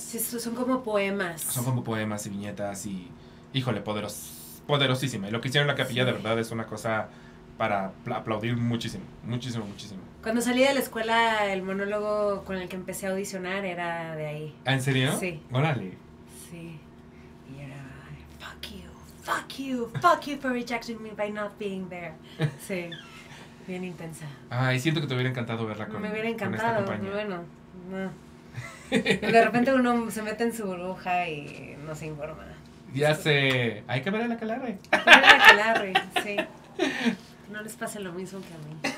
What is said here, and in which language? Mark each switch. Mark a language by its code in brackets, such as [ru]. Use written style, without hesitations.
[es] Sí, son como poemas. Son como poemas y viñetas y, híjole, poderosísima. Y lo que hicieron en la capilla de verdad es una cosa para aplaudir muchísimo, muchísimo, muchísimo. Cuando salí de la escuela, el monólogo con el que empecé a audicionar era de ahí. ¿En serio? Sí. ¡Órale! Sí. Y era, [en] fuck you for rejecting me by not being there. [es] Sí. Bien intensa. Ay, siento que te hubiera encantado verla con esta compañía. Me hubiera encantado, bueno. No. De repente uno se mete en su burbuja y no se informa. Ya sé. Hay que ver a la Calarre. Hay que ver a la Calarre, sí. No les pase lo mismo que a mí.